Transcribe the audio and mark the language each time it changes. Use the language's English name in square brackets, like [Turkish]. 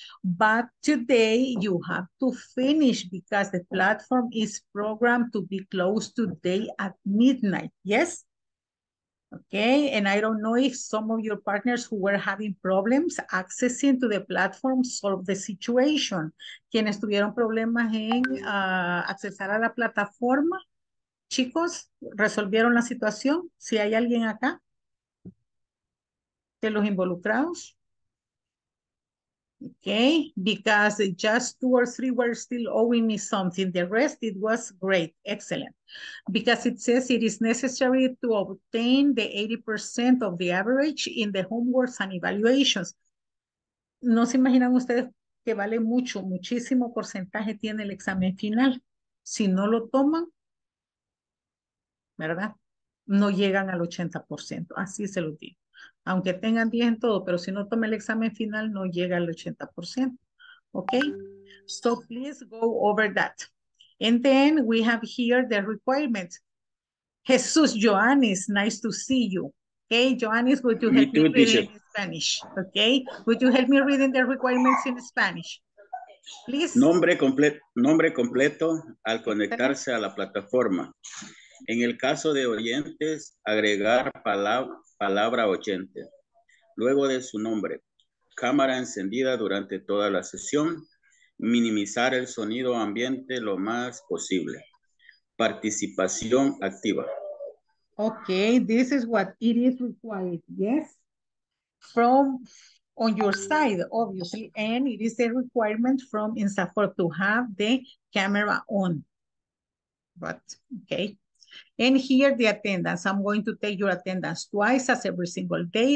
[English] But today you have to finish because the platform is programmed to be closed today at midnight. Yes? Okay. And I don't know if some of your partners who were having problems accessing to the platform solved the situation. [Spanish] ¿Quiénes tuvieron problemas en accesar a la plataforma? Chicos, ¿resolvieron la situación? ¿Si hay alguien acá? ¿De los involucrados? [English] Okay, because just two or three were still owing me something. The rest, it was great, excellent. Because it says it is necessary to obtain the 80% of the average in the homeworks and evaluations. [Spanish] ¿No se imaginan ustedes que vale mucho, muchísimo porcentaje tiene el examen final? Si no lo toman, ¿verdad? No llegan al 80%, así se lo digo. Aunque tengan 10 en todo, pero si no toma el examen final, no llega al 80%. [English] Okay? So please go over that. And then we have here the requirements. Jesus Joannis, nice to see you. Okay, Joannis, would you help me read it in Spanish? Okay, would you help me read the requirements in Spanish? Please. [Spanish] Nombre completo al conectarse a la plataforma. En el caso de oyentes, agregar palabra oyente, luego de su nombre, cámara encendida durante toda la sesión, minimizar el sonido ambiente lo más posible, participación activa. [English] Okay, this is what it is required, yes? From on your side, obviously, and it is a requirement from INSAFOR to have the camera on. But, okay. And here the attendance. I'm going to take your attendance twice as every single day.